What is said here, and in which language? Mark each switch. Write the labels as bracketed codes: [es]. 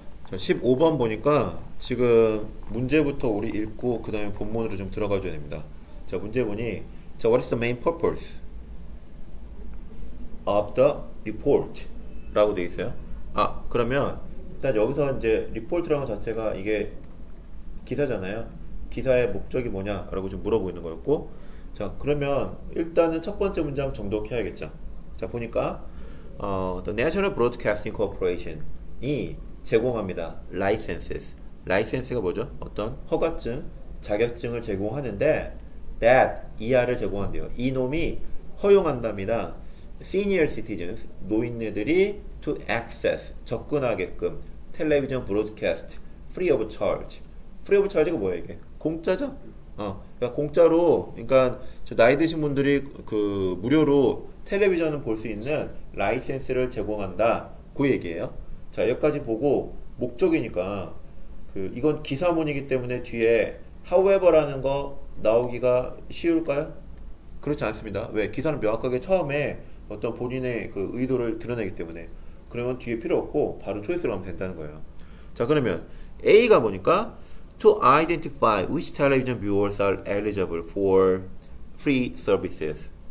[ko] 15번 보니까 지금 문제부터 우리 읽고 그다음에 본문으로 좀 들어가 줘야 됩니다. 자, 문제문이 자, [en] What is the main purpose of the report? [ko] 라고 돼 있어요. 아, 그러면 일단 여기서 이제 report라는 자체가 이게 기사잖아요. 기사의 목적이 뭐냐라고 좀 물어보고 있는 거였고. 자, 그러면 일단은 첫 번째 문장 정독해야겠죠. 자, 보니까 The National Broadcasting Corporation이 제공합니다. Licenses. 라이센스가 뭐죠? 어떤 허가증, 자격증을 제공하는데 that 이하를 제공한대요. 이놈이 허용한답니다. [en] Senior citizens, [ko] 노인네들이 [en] to access, [ko] 접근하게끔 텔레비전 브로드캐스트 [en] free of charge. [ko] free of charge가 뭐야 이게? 공짜죠? 그러니까 공짜로, 그러니까 저 나이 드신 분들이 그 무료로 텔레비전을 볼수 있는 라이센스를 제공한다. 그 얘기예요. 자, 여기까지 보고 목적이니까 그 이건 기사문이기 때문에 뒤에 however라는 거 나오기가 쉬울까요? 그렇지 않습니다. 왜? 기사는 명확하게 처음에 어떤 본인의 그 의도를 드러내기 때문에 그러면 뒤에 필요 없고 바로 choice로 하면 된다는 거예요. 자, 그러면 A가 뭐니까? [en] To identify which television viewers are eligible for free services.